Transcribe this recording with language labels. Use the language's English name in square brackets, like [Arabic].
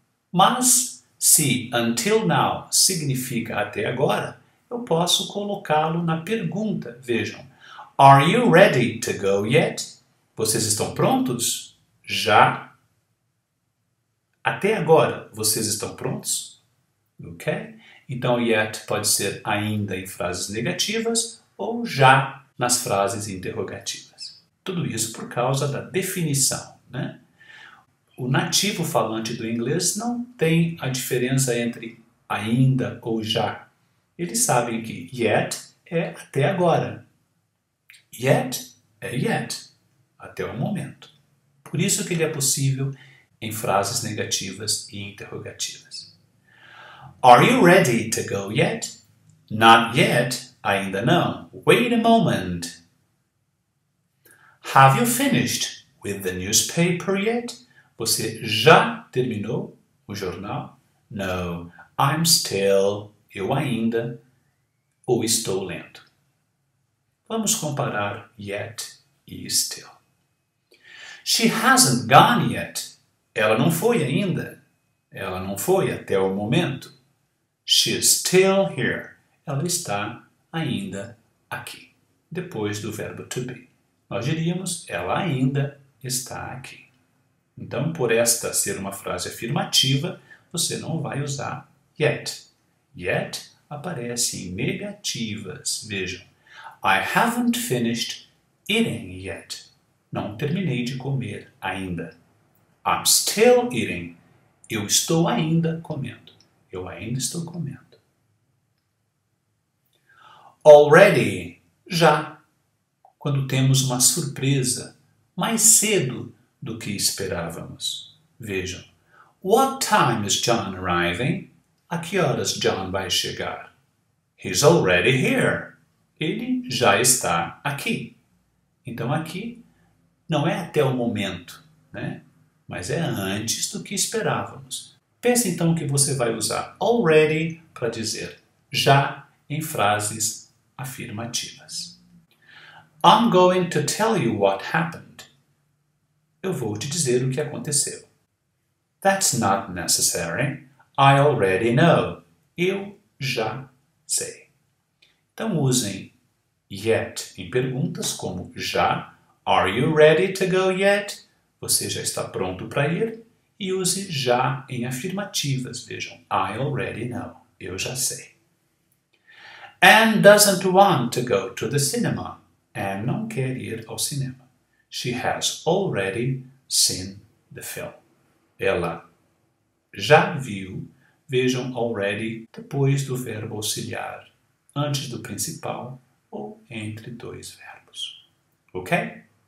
[Portuguese] Mas se until now significa até agora, eu posso colocá-lo na pergunta. [English] Vejam, are you ready to go yet? [Portuguese] Vocês estão prontos? Já? Até agora, vocês estão prontos? Ok? Então, yet pode ser ainda em frases negativas ou já nas frases interrogativas. Tudo isso por causa da definição, né? O nativo falante do inglês não tem a diferença entre ainda ou já. Eles sabem que yet é até agora. Yet é yet, até o momento. Por isso que ele é possível em frases negativas e interrogativas. [English] Are you ready to go yet? Not yet. [Portuguese] Ainda não. [English] Wait a moment. Have you finished with the newspaper yet? [Portuguese] Você já terminou o jornal? [English] No. I'm still. [Portuguese] Eu ainda. Ou estou lendo. Vamos comparar yet e still. [English] She hasn't gone yet. [Portuguese] Ela não foi ainda. Ela não foi até o momento. [English] She's still here. [Portuguese] Ela está ainda aqui. Depois do verbo to be. Nós diríamos, ela ainda está aqui. Então, por esta ser uma frase afirmativa, você não vai usar yet. Yet aparece em negativas. [English] Vejam, I haven't finished eating yet. [Portuguese] Não terminei de comer ainda. [English] I'm still eating. [Portuguese] Eu estou ainda comendo. Eu ainda estou comendo. Already. Já. Quando temos uma surpresa mais cedo do que esperávamos. Vejam. [English] What time is John arriving? [Portuguese] A que horas John vai chegar? [English] He's already here. [Portuguese] Ele já está aqui. Então aqui não é até o momento, né? Mas é antes do que esperávamos. Pense então que você vai usar already para dizer já em frases afirmativas. [English] I'm going to tell you what happened. [Portuguese] Eu vou te dizer o que aconteceu. [English] That's not necessary. I already know. [Portuguese] Eu já sei. Então usem yet em perguntas como já. [English] Are you ready to go yet? [Portuguese] Você já está pronto para ir? E use já em afirmativas. Vejam, [English] I already know. [Portuguese] Eu já sei. [English] Anne doesn't want to go to the cinema. [Portuguese] Anne não quer ir ao cinema. [English] She has already seen the film. [Portuguese] Ela já viu. Vejam, already, depois do verbo auxiliar, antes do principal ou entre dois verbos. Okay?